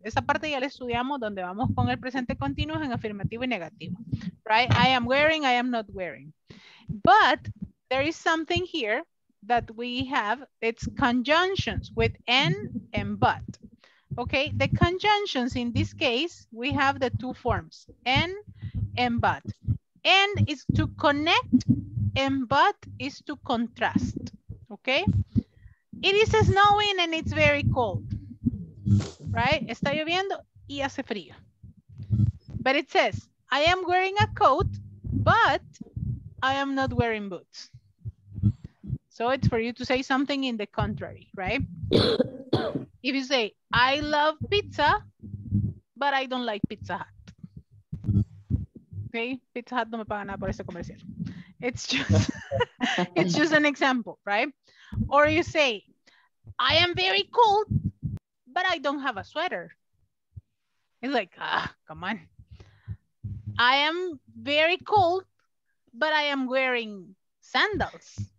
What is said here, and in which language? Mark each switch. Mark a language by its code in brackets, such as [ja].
[es] Esa parte ya la estudiamos, donde vamos con el presente continuo en afirmativo y negativo. [en] Right? I am wearing, I am not wearing. But there is something here that we have, it's conjunctions with and but. Okay, the conjunctions in this case, we have the two forms, and but. And is to connect, and but is to contrast. Okay, it is snowing and it's very cold. Right, [es] está lloviendo y hace frío. [en] But it says, I am wearing a coat, but I am not wearing boots. So it's for you to say something in the contrary, right? If you say, I love pizza, but I don't like Pizza Hut. [es] Okay, Pizza Hut no me paga nada por ese comercial. [en] It's just, it's just an example, right? Or you say, I am very cold, but I don't have a sweater. It's like, ah, come on. I am very cold, but I am wearing sandals.